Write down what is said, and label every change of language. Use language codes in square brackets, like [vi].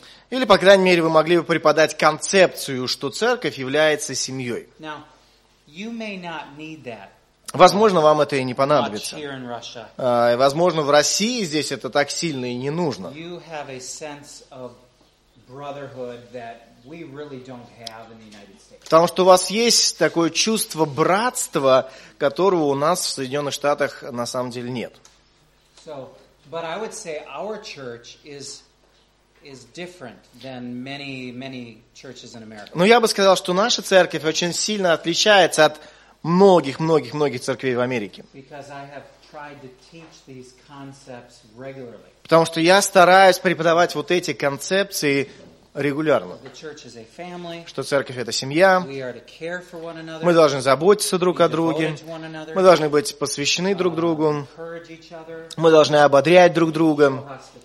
[ru] Или, по крайней мере, вы могли бы преподать концепцию, что церковь является семьей. [en] Now, you may not need that. [ru] Возможно, вам это и не понадобится. Возможно, в России здесь это так сильно и не нужно. [en] You have a sense of brotherhood that we really don't have in the United States. [ru] Потому что у вас есть такое чувство братства, которого у нас в Соединенных Штатах на самом деле нет. [en] So, but I would say our church is different than many churches in America. [ru] Но я бы сказал, что наша церковь очень сильно отличается от многих церквей в Америке. [en] Because I have tried to teach these concepts regularly. [ru] Потому что я стараюсь преподавать вот эти концепции регулярно. Что церковь – это семья. Мы должны заботиться друг о друге. Мы должны быть посвящены друг другу. Мы должны ободрять друг друга.